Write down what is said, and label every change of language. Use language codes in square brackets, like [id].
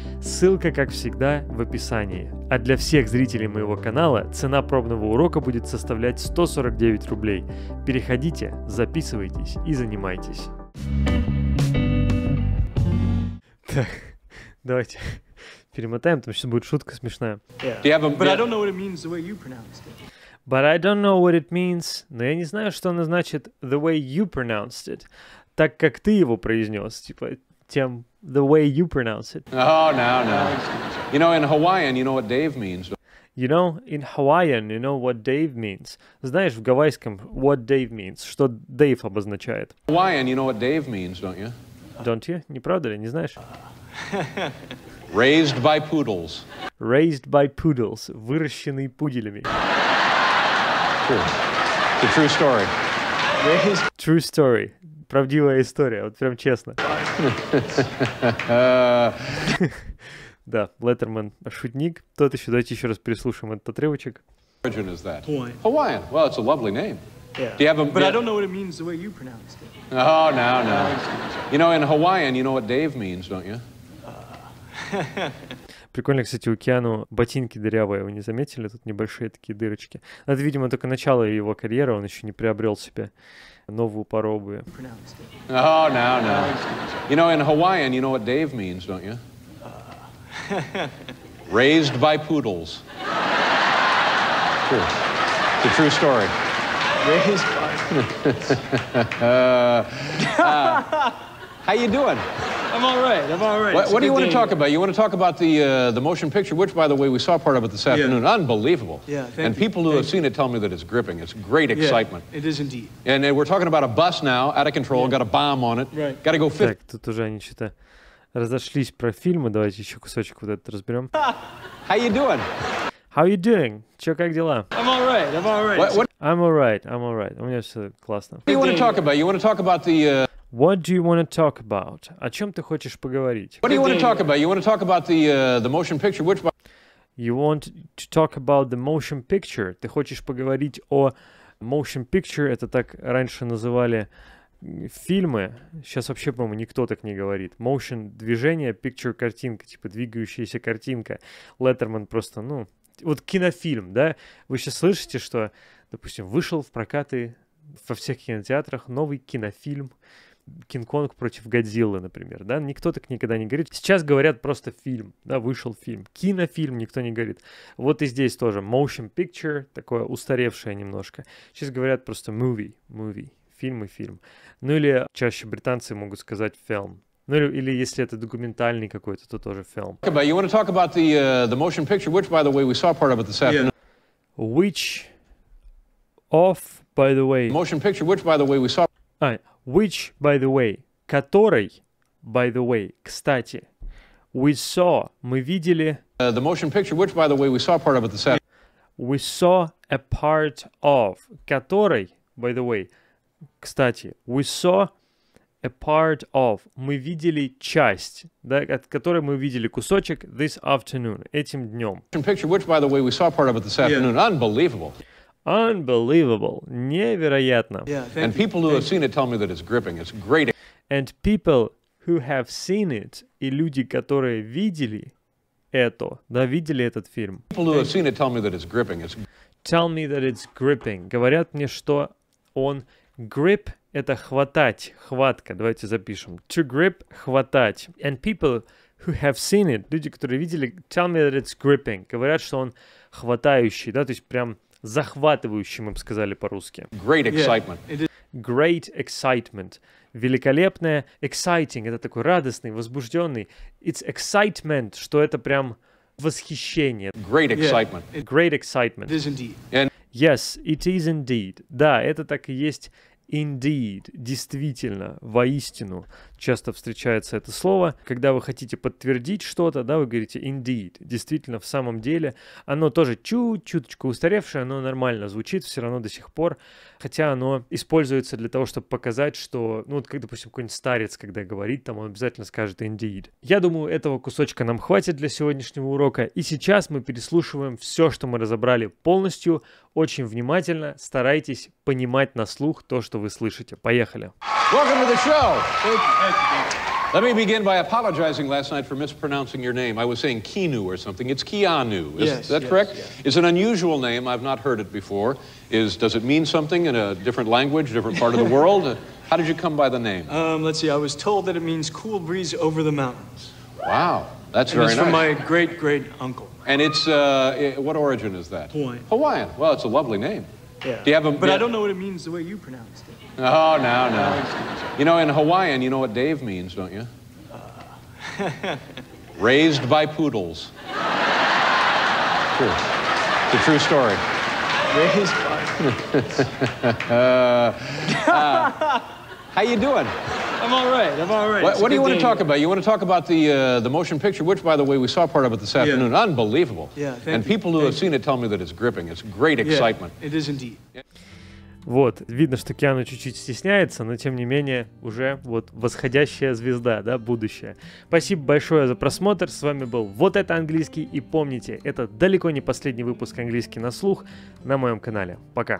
[ru] Ссылка, как всегда, в описании. А для всех зрителей моего канала цена пробного урока будет составлять 149 рублей. Переходите, записывайтесь и занимайтесь. Так, давайте перемотаем, там сейчас будет шутка смешная. [en] But I don't know what it means. [ru] Но я не знаю, что оно значит [en] the way you pronounced it. [ru] Так как ты его произнес, типа тем [en] the way you pronounce it. Oh, no, no. You know, in Hawaiian, you know what Dave means. You know, in Hawaiian, you know what Dave means. [ru] Знаешь, в гавайском [en] what Dave means, [ru] что Dave обозначает. [en] Hawaiian, you know what Dave means, don't you? Don't you? [ru] Не правда ли? Не знаешь? [en] Raised by poodles. Raised by poodles. [ru] Выращенный пуделями. [en] The true story. True story. [ru] Правдивая история, вот прям честно. Да, Леттерман шутник. Тот еще, давайте еще раз переслушаем этот отрывочек. [en] Origin is that? Hawaiian. Well, it's a lovely name. Yeah. Do you have a... But yeah. I don't know what it means the way you pronounced it. Oh, no, no. You know, in Hawaiian, you know what Dave means, don't you? Прикольно, кстати, у Киану ботинки дырявые, вы не заметили? Тут небольшие такие дырочки. Это, видимо, только начало его карьеры, он еще не приобрел себе новую пару обуви. Oh, no, no. You know, in Hawaiian, you know what Dave means, don't you? Raised by poodles. True. The true story. Raised by How you doing? I'm all right. What do you want to talk about? You want to talk about the motion picture, which, by the way, we saw part of it this afternoon. Yeah. Unbelievable. Yeah, thank And you. People who thank have seen you. It tell me that it's gripping. It's great excitement. Yeah, it is indeed. And we're talking about a bus now, out of control, got a bomb on it. Right. Got to go fit. [ru] Так, тут уже они что-то разошлись про фильмы. Давайте еще кусочек вот этот разберем. [en] How you doing? How you doing? [ru] Чё, как дела? [en] I'm all right. [ru] У меня все классно. [en] What do you want to talk about? You want to talk about the... What do you want to talk about? [ru] О чем ты хочешь поговорить? [en] What do you want to talk about? You want to talk about the motion picture, which... You want to talk about the motion picture? [ru] Ты хочешь поговорить о motion picture? Это так раньше называли фильмы. Сейчас вообще, по-моему, никто так не говорит. Motion — движение, picture — картинка, типа двигающаяся картинка. Letterman просто, ну... Вот кинофильм, да? Вы сейчас слышите, что, допустим, вышел в прокаты во всех кинотеатрах новый кинофильм «Кинг-Конг против Годзиллы», например, да? Никто так никогда не говорит. Сейчас говорят просто фильм, да, вышел фильм. Кинофильм никто не говорит. Вот и здесь тоже motion picture, такое устаревшее немножко. Сейчас говорят просто movie, фильм и фильм. Ну или чаще британцы могут сказать film. Ну или если это документальный какой-то, то тоже film. [en] You want to talk about the motion picture, which, by the way, we saw part of it this afternoon. Yeah. Which of, by the way... Motion picture, which, by the way, we saw... Which, by the way, [ru] который, [en] by the way, [ru] кстати, [en] we saw, [ru] мы видели... [en] The motion picture, which, by the way, we saw part of it this afternoon. We saw a part of, [ru] который, [en] by the way, [ru] кстати, [en] we saw a part of, [ru] мы видели часть, да, от которой мы видели кусочек [en] this afternoon, [ru] этим днем. [en] Motion picture, which, by the way, we saw part of it this afternoon, unbelievable. Unbelievable. [ru] Невероятно. [en] Yeah, and people you. thank have seen it tell me that it's gripping. It's great. And people who have seen it, [ru] и люди, которые видели это, да, видели этот фильм. [en] People who thank have you. Seen it tell me that it's gripping. It's... Tell me that it's gripping. [ru] Говорят мне, что он grip — это хватать, хватка. Давайте запишем. [en] To grip — [ru] хватать. [en] And people who have seen it, [ru] люди, которые видели, [en] tell me that it's gripping. [ru] Говорят, что он хватающий, да, то есть прям... захватывающим, мы бы сказали по-русски. [en] Great excitement. Great excitement. [ru] Великолепное. [en] Exciting. [ru] Это такой радостный, возбужденный. [en] It's excitement, [ru] что это прям восхищение. [en] Great excitement. Great excitement. It is indeed. Yes, it is indeed. [ru] Да, это так и есть Indeed, действительно, воистину, часто встречается это слово. Когда вы хотите подтвердить что-то, да, вы говорите indeed, действительно, в самом деле. Оно тоже чуть-чуточку устаревшее, оно нормально звучит все равно до сих пор. Хотя оно используется для того, чтобы показать, что, ну, вот, как, допустим, какой-нибудь старец, когда говорит, там он обязательно скажет indeed. Я думаю, этого кусочка нам хватит для сегодняшнего урока. И сейчас мы переслушиваем все, что мы разобрали полностью. Очень внимательно старайтесь понимать на слух то, что вы слышите. Поехали. [en] Welcome to the show. Let me begin by apologizing last night for mispronouncing your name. I was saying Keanu or something. It's Keanu. Is that correct? Yes. It's an unusual name. I've not heard it before. Does it mean something in a different language, different part of the world? How did you come by the name? Let's see. I was told that it means cool breeze over the mountains. Wow. That's very nice. It's from my great-great uncle. And it's, what origin is that? Hawaiian. Well, it's a lovely name. Yeah. I don't know what it means the way you pronounced it. Oh, no, no. You know, in Hawaiian, you know what Dave means, don't you? Raised by poodles. True. It's a true story. Raised by poodles. How you doing? I'm all right. What do you want to talk about? You want to talk about the motion picture, which, by the way, we saw part of it this afternoon. Yeah. Unbelievable. Yeah, thank you. And people who have seen it tell me that it's gripping. It's great excitement. Yeah, it is indeed. [ru] Вот, видно, что Киану чуть-чуть стесняется, но тем не менее, уже вот восходящая звезда, да, будущее. Спасибо большое за просмотр, с вами был Вот Это Английский, и помните, это далеко не последний выпуск «Английский на слух» на моем канале. Пока!